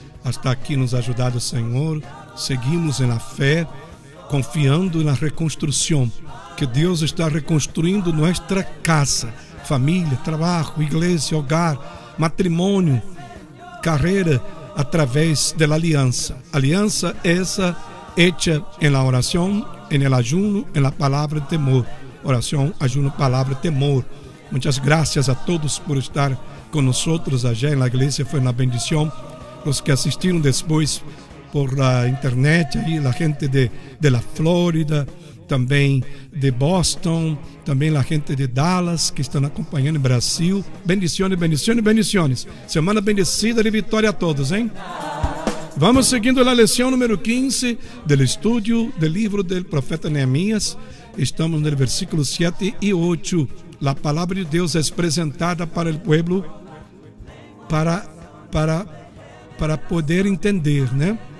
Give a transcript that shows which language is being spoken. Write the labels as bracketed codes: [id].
[pt] Hasta aqui nos ajudado o Senhor. Seguimos na fé, confiando na reconstrução, que Deus está reconstruindo nossa casa, família, trabalho, igreja, hogar, matrimônio, carreira, através da aliança. Aliança essa [es] hecha en la oración, en el ayuno, en la palabra de temor. Oración, ayuno, palabra de temor. Muchas gracias a todos por estar con nosotros allá en la iglesia. Fue una bendición. Los que asistieron después por la internet, ahí, la gente de la Florida, también de Boston, también la gente de Dallas que están acompañando en Brasil. Bendiciones, bendiciones, bendiciones. Semana bendecida y victoria a todos, ¿eh? [pt] Vamos seguindo a lição número 15 do estudo do livro do profeta Neemias. Estamos no versículo 7 e 8. A palavra de Deus é apresentada para o povo para poder entender, né?